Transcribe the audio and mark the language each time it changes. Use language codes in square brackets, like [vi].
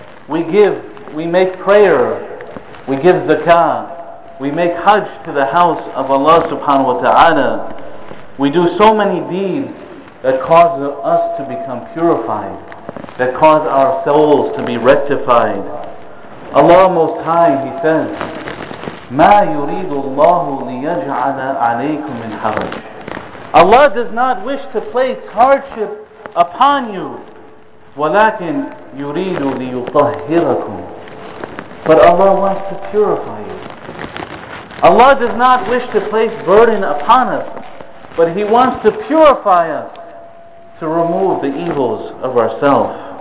[en] We give, we make prayer, we give zakah, we make hajj to the house of Allah subhanahu wa ta'ala. We do so many deeds that cause us to become purified, that cause our souls to be rectified. Allah Most High, He says, [ar] مَا يُرِيدُ اللَّهُ لِيَجْعَلَ عَلَيْكُمْ مِنْ حَرَجٍ. [en] Allah does not wish to place hardship upon you, [ar] وَلَكِنْ يُرِيدُ لِيُطَهِّرَكُمْ. [en] But Allah wants to purify you. Allah does not wish to place burden upon us, but He wants to purify us, to remove the evils of ourselves.